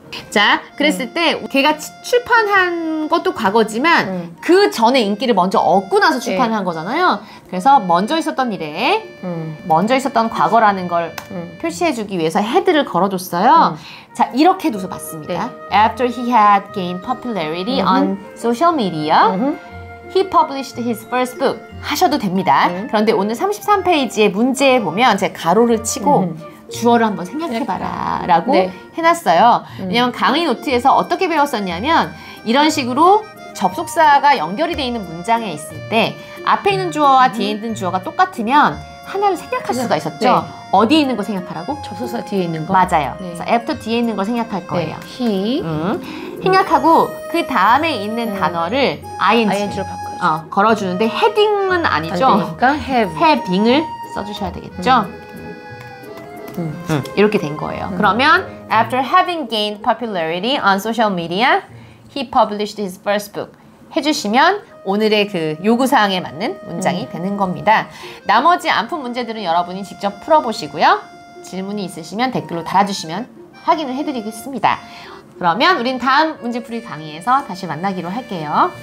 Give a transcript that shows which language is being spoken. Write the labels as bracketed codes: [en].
[ko] 자, 그랬을 때 걔가 출판한 것도 과거지만 그 전에 인기를 먼저 얻고 나서 출판한 거잖아요. 그래서 먼저 있었던 일에 먼저 있었던 과거라는 걸 표시해주기 위해서 헤드를 걸어줬어요. 자, 이렇게 두서 봤습니다. 네. [en] After he had gained popularity on social media, he published his first book. [ko] 하셔도 됩니다. 그런데 오늘 33페이지의 문제에 보면 제가 가로를 치고 주어를 한번 생각해봐라 라고 해놨어요. 왜냐면 강의 노트에서 어떻게 배웠었냐면 이런 식으로 접속사가 연결이 되어 있는 문장에 있을 때 앞에 있는 주어와 뒤에 있는 주어가 똑같으면 하나를 생략할 수가 있었죠. 네. 어디에 있는 거 생략하라고? 접속사 뒤에 있는 거. 맞아요. 네. 그래서 after 뒤에 있는 거 생략할 거예요. 네. [en] he [ko] 생략하고 그 다음에 있는 단어를 ing로 바꿔요. 걸어주는데 heading은 아니죠. 그러니까 having을 써주셔야 되겠죠. 이렇게 된 거예요. 그러면 [en] after having gained popularity on social media, he published his first book. [ko] 해주시면 오늘의 그 요구사항에 맞는 문장이 되는 겁니다. 나머지 안푼 문제들은 여러분이 직접 풀어보시고요. 질문이 있으시면 댓글로 달아주시면 확인을 해드리겠습니다. 그러면 우린 다음 문제풀이 강의에서 다시 만나기로 할게요.